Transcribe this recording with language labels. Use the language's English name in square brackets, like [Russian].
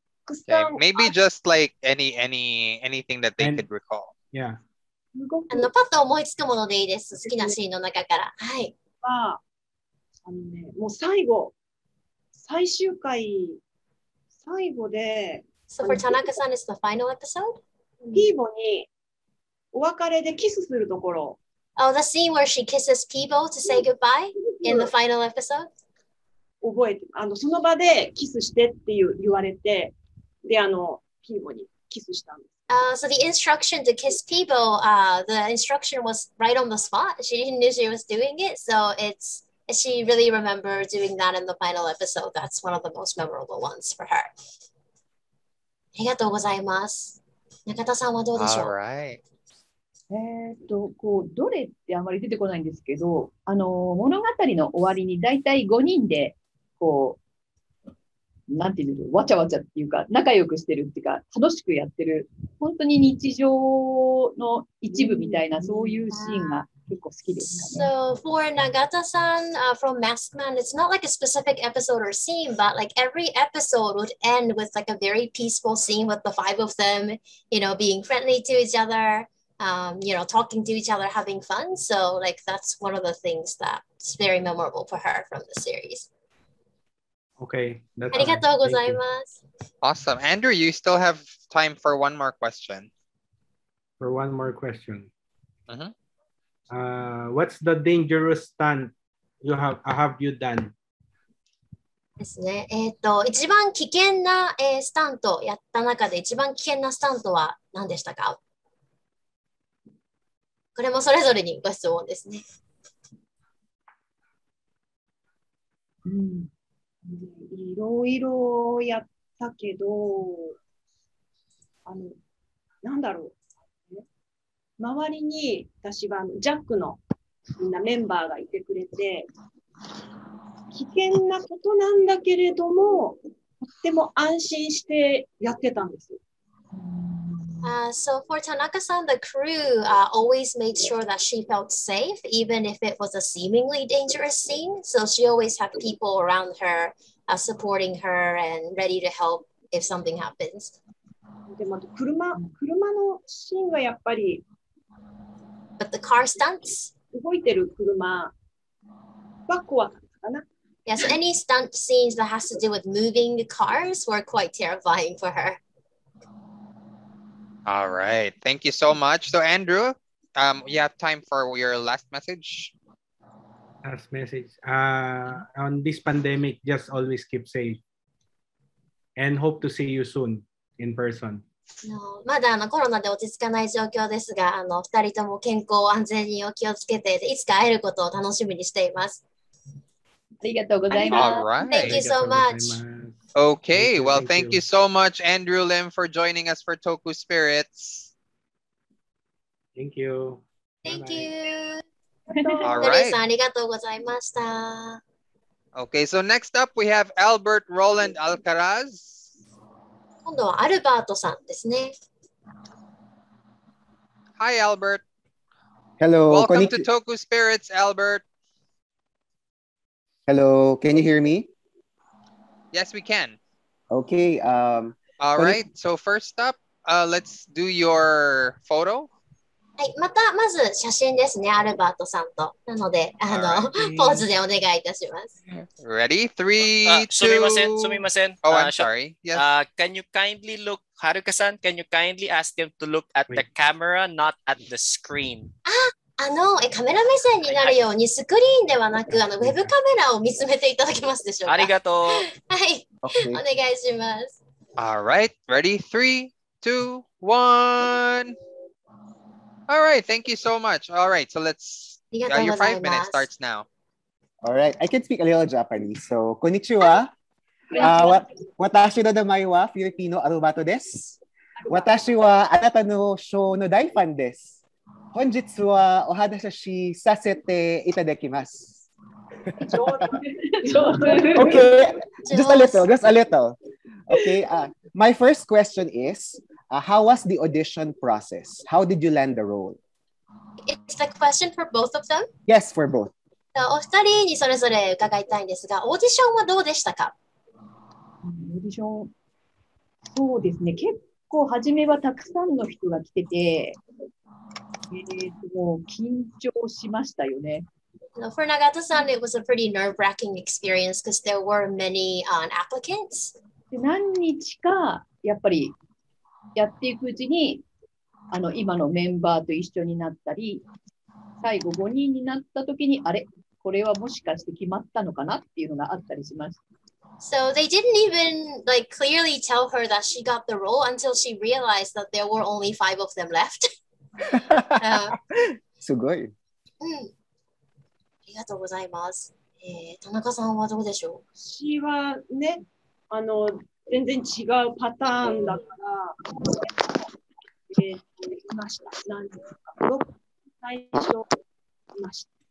[English] Okay, maybe just like anything that they could recall. Yeah. [Japanese] パッと思いつくものでいいです。好きなシーンの中から。はい。もう最後、最終回、最後で。 [English] So for Tanaka-san, it's the final episode? [Japanese] Peebo にお別れでキスするところ。 [English] Oh, the scene where she kisses Peebo to say goodbye in the final episode? [Japanese] 覚えてその場でキスしてって言われて、で、ピーボにキスしたんです。 [English] So the instruction to kiss Peebo, the instruction was right on the spot. She didn't know she was doing it, so it's, she really remembered doing that in the final episode. That's one of the most memorable ones for her. [Japanese] ありがとうございます。中田さんはどうでしょう? [English] All right. [Japanese] どれってあまり出てこないんですけど、物語の終わりにだいたい5人で、なんていうの、わちゃわちゃっていうか、仲良くしてるっていうか、楽しくやってる、本当に日常の一部みたいな、そういうシーンが結構好きですかね。 [English] So for Nagata-san, from Maskman, it's not like a specific episode or scene, but like every episode would end with like a very peaceful scene with the five of them, you know, being friendly to each other, you know, talking to each other, having fun. So like that's one of the things that's very memorable for her from the series. Okay. [Japanese] Arigatou gozaimasu. [English] Awesome. Andrew, you still have time for one more question. What's the dangerous stunt you have you done? [Japanese] ですね。一番危険な、スタントやった中で一番危険なスタントは何でしたか？これもそれぞれにご質問ですね。うん、いろいろやったけど、なんだろう。周りに私はジャックのみんなメンバーがいてくれて、危険なことなんだけれども、とっても安心してやってたんです。 [English] So for Tanaka-san, the crew always made sure that she felt safe, even if it was a seemingly dangerous scene. So she always had people around her supporting her and ready to help if something happens. [Japanese] でも車のシーンはやっぱり、 [English] But the car stunts? [Japanese] 動いてる車は怖かったかな。 [English] Yes, any stunt scenes that has to do with moving cars were quite terrifying for her. All right. Thank you so much. So, Andrew, you have time for your last message. Last message. On this pandemic, just always keep safe. And hope to see you soon in person. [Japanese] まだコロナで落ち着かない状況ですが、2人とも健康安全にお気をつけて、いつか会えることを楽しみにしています。 [English] All right. Thank you so much. Okay. Well, thank you so much, Andrew Lim, for joining us for Toku Spirits. Thank you. Thank you. All right. Okay. So next up, we have Albert Roland Alcaraz. [Japanese] 今度はアルバートさんですね。 [English] Hi, Albert. Hello. Welcome to Toku Spirits, Albert. Hello, can you hear me? Yes, we can. Okay. All right, so first up, let's do your photo. [Japanese] はい、またまず写真ですね、アルバートさんと。なので、ポーズでお願いいたします。 [English] Ready? Three, two... [Japanese] すみません。 [English] Oh, I'm sorry. Yes. Can you kindly look, Haruka-san, can you kindly ask him to look at the camera, not at the screen? [Japanese] カメラ目線になるようにスクリーンではなくウェブカメラを見つめていただけますでしょうか。ありがとう。はい、お願いします。 [English] All right, ready? Three, two, one. All right, thank you so much. All right, so let's. Your 5 minutes starts now. All right, I can speak a little Japanese. So, [Japanese] konnichiwa. Watashi no namae wa Filipino Arubato desu. Watashi wa anata no show no dai fan desu. 本日はお話しさせていただきます。 [English] Okay, just a little. Okay, my first question is, how was the audition process? How did you land the role? It's the question for both of them? Yes, for both. [Japanese] お二人にそれぞれ伺いたいんですが、オーディションはどうでしたか？オーディション、そうですね。結構初めはたくさんの人が来てて、 [English] For Nagata-san, it was a pretty nerve-wracking experience because there were many applicants. [Japanese] 何日かやっぱりやっていくうちに今のメンバーと一緒になったり最後5人になった時にあれこれはもしかして決まったのかなっていうのがあったりしました。 [English] So they didn't even like clearly tell her that she got the role until she realized that there were only 5 of them left. [Japanese] すごい。うん。ありがとうございます。田中さんはどうでしょう？私はね、全然違うパターンだから、いました。何ですか？最初、いました。